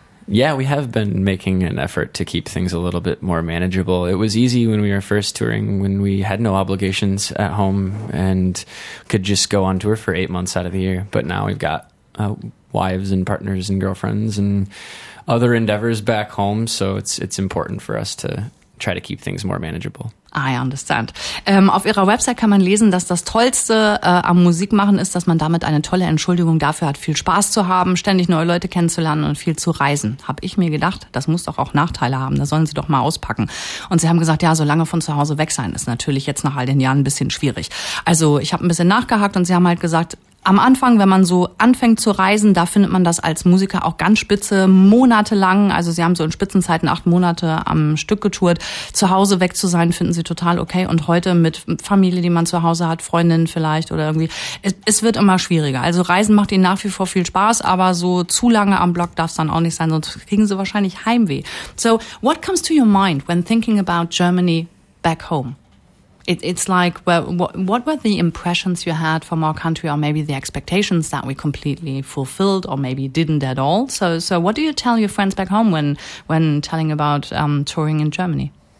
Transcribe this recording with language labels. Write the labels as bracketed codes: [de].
[en] Yeah, we have been making an effort to keep things a little bit more manageable. It was easy when we were first touring, when we had no obligations at home and could just go on tour for 8 months out of the year. But now we've got... wives and partners and girlfriends and other endeavors back home. So it's important for us to try to keep things more manageable. I understand. [de] Auf ihrer Website kann man lesen, dass das Tollste am Musikmachen ist, dass man damit eine tolle Entschuldigung dafür hat, viel Spaß zu haben, ständig neue Leute kennenzulernen und viel zu reisen. Habe ich mir gedacht, das muss doch auch Nachteile haben, da sollen sie doch mal auspacken. Und sie haben gesagt, ja, so lange von zu Hause weg sein, ist natürlich jetzt nach all den Jahren ein bisschen schwierig. Also ich habe ein bisschen nachgehakt und sie haben halt gesagt, am Anfang, wenn man so anfängt zu reisen, da findet man das als Musiker auch ganz spitze, monatelang. Also sie haben so in Spitzenzeiten 8 Monate am Stück getourt. Zu Hause weg zu sein, finden sie total okay. Und heute mit Familie, die man zu Hause hat, Freundinnen vielleicht oder irgendwie, es wird immer schwieriger. Also Reisen macht ihnen nach wie vor viel Spaß, aber so zu lange am Block darf es dann auch nicht sein, sonst kriegen sie wahrscheinlich Heimweh. [en] So, what comes to your mind when thinking about Germany back home? It's like, well, what were the impressions you had from our country, or maybe the expectations that we completely fulfilled or maybe didn't at all? So what do you tell your friends back home when telling about touring in Germany?